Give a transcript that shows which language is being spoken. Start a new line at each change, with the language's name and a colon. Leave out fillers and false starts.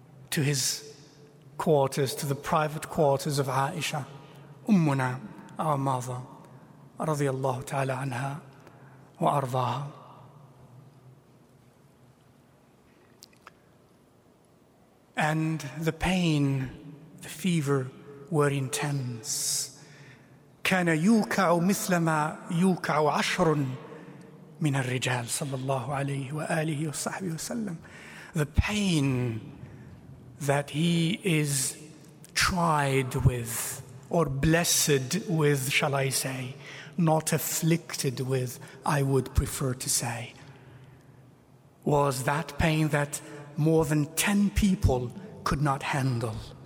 English: to his quarters, to the private quarters of Aisha, ummuna, our mother radiyallahu ta'ala anha wa ardaha. And the pain, the fever were intense.
Arabic: كان يوكع مثل ما يوكع عشر من الرجال صلى الله عليه وآله وصحبه وسلم.
English: The pain that he is tried with, or blessed with, shall I say, not afflicted with, I would prefer to say, was that pain that more than 10 people could not handle.